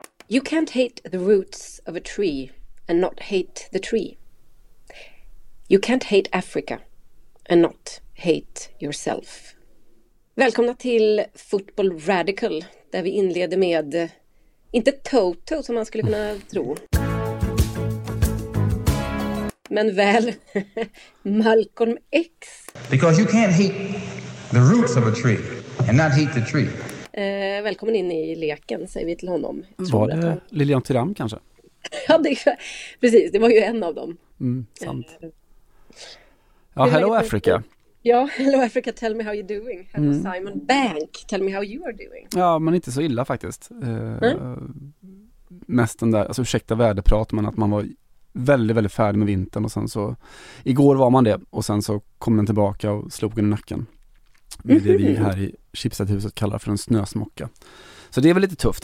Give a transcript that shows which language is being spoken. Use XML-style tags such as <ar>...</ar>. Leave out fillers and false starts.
<en>You can't hate the roots of a tree and not hate the tree. You can't hate Africa and not hate yourself.</en> <sv>Välkomna till Football Radical, där vi inleder med, inte Toto som man skulle kunna tro, men väl Malcolm X.</sv> <en>Because you can't hate the roots of a tree and not hate the tree.</en> <sv>Välkommen in i leken, säger vi till honom. Var det Lilian Thuram kanske? Ja, det, precis. Det var ju en av dem. Mm, sant. Ja,</sv> <en>hello Africa. Ja, hello Africa, tell me how you're doing. Hello Simon Bank, tell me how you are doing.</en> <sv>Ja, men inte så illa faktiskt. Mest den där, alltså ursäkta väderprat, men att man var väldigt, väldigt färdig med vintern. Och sen så, igår var man det, och sen så kom den tillbaka och slog en i nacken. Med det vi här i Chipset-huset kallar för en snösmocka. Så det är väl lite tufft.</sv>